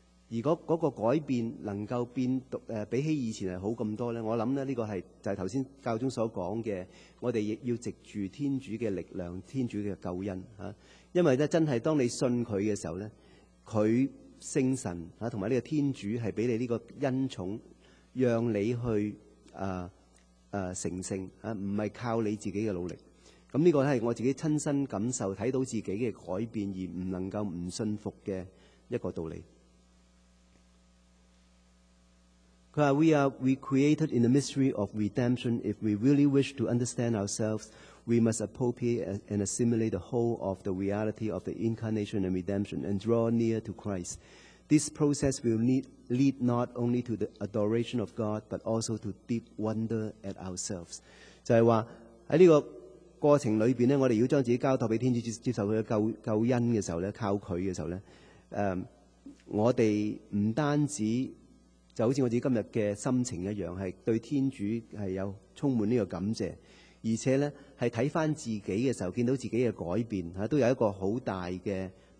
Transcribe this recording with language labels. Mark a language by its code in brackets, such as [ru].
[zh] 如果那個改變能夠變比起以前好那麼多，我想這個是就是剛才教宗所說的，我們亦要藉著天主的力量，天主的救恩，因為真的當你信祂的時候，祂聖神和這個天主是給你這個恩寵，讓你去成聖，不是靠你自己的努力。這個是我自己親身感受看到自己的改變而不能夠不信服的一個道理。 [en] We are recreated in the mystery of redemption. If we really wish to understand ourselves, we must appropriate and assimilate the whole of the reality of the incarnation and redemption and draw near to Christ. This process will lead not only to the adoration of God, but also to deep wonder at ourselves. [zh] 就是说在这个过程里面，我们要将自己交托给天主，接受他的救恩的时候，靠他的时候，我们不单止就好似我自己今日嘅心情一樣，係對天主係有充滿呢個感謝，而且咧係睇翻自己嘅時候，見到自己嘅改變嚇，都有一個好大嘅